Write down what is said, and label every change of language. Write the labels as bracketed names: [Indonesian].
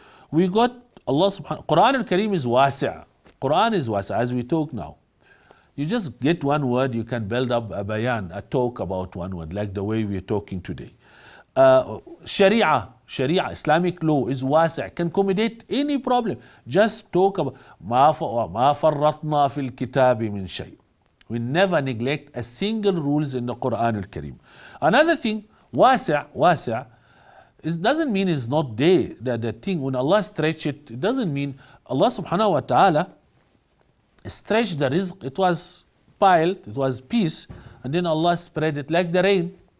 [English] We got Allah subhanahu wa ta'ala, Quran al-Kareem is wasi'a. Quran is wasi'a, as we talk now. You just get one word, you can build up a bayan, a talk about one word, like the way we're talking today. Sharia, Islamic law is wasi'a, can accommodate any problem. Just talk about, [Arabic] ما فرطنا في الكتاب من شيء. [English] We never neglect a single rules in the Quran al-Kareem. Another thing, wasi' it doesn't mean it's not there. The thing, when Allah stretched it, it doesn't mean Allah subhanahu wa ta'ala stretched the rizq. It was piled, it was peace, and then Allah spread it like the rain.